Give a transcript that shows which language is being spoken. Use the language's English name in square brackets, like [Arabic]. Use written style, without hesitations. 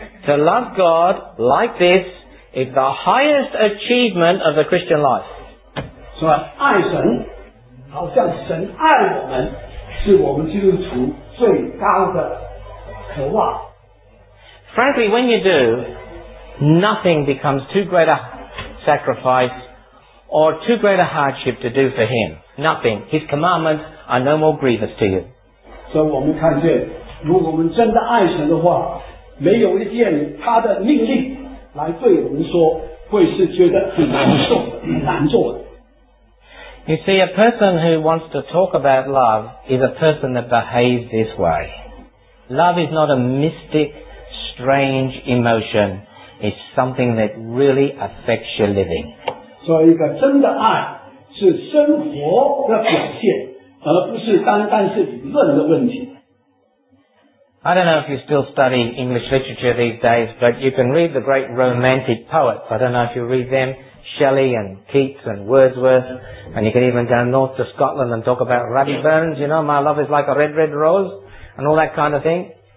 [English] To love God like this is the highest achievement of the Christian life. [Chinese] So, 爱神，好像神爱我们，是我们基督徒最高的渴望。 [English] Frankly, when you do, nothing becomes too great a sacrifice or too great a hardship to do for him. Nothing. His commandments are no more grievous to you. [Chinese] So, 我们看见，如果我们真的爱神的话，没有一件他的命令。来对我们说，会是觉得很难受、很难做的。 [English] You see, a person who wants to talk about love is a person that behaves this way. Love is not a mystic, strange emotion. It's something that really affects your living. [Chinese] So, 一个真的爱是生活的表现，而不是单单是理论的问题。 [English] I don't know if you still study English literature these days, but you can read the great romantic poets. I don't know if you read them, Shelley and Keats and Wordsworth, and you can even go north to Scotland and talk about Robbie Burns, you know, my love is like a red, red rose, and all that kind of thing.